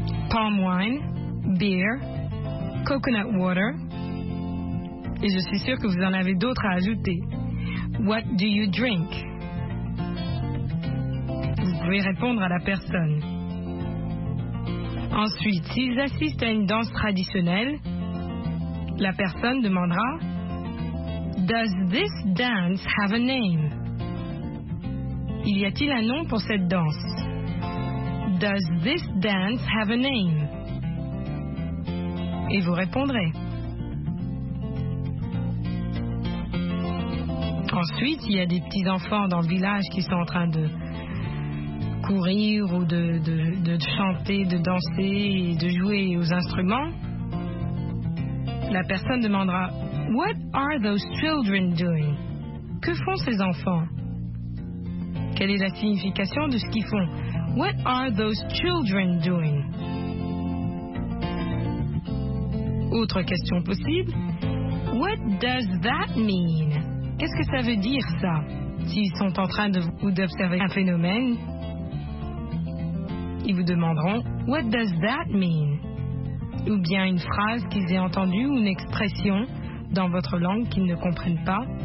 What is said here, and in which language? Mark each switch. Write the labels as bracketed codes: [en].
[en] Palm wine, beer, coconut water. [fr] Et je suis sûre que vous en avez d'autres à ajouter. [en] What do you drink? [fr] Vous pouvez répondre à la personne. Ensuite, s'ils assistent à une danse traditionnelle, la personne demandera [en] Does this dance have a name? [fr] Il y a-t-il un nom pour cette danse? [en] Does this dance have a name? [fr] Et vous répondrez. Ensuite, il y a des petits-enfants dans le village qui sont en train de courir ou de chanter, de danser et de jouer aux instruments. La personne demandera, [en] What are those children doing? [fr] Que font ces enfants? Quelle est la signification de ce qu'ils font? [en] What are those children doing? [fr] Autre question possible, [en] What does that mean? [fr] Qu'est-ce que ça veut dire, ça, s'ils sont en train de vous observer un phénomène? Ils vous demanderont, [en] What does that mean? [fr] Ou bien une phrase qu'ils aient entendue ou une expression dans votre langue qu'ils ne comprennent pas.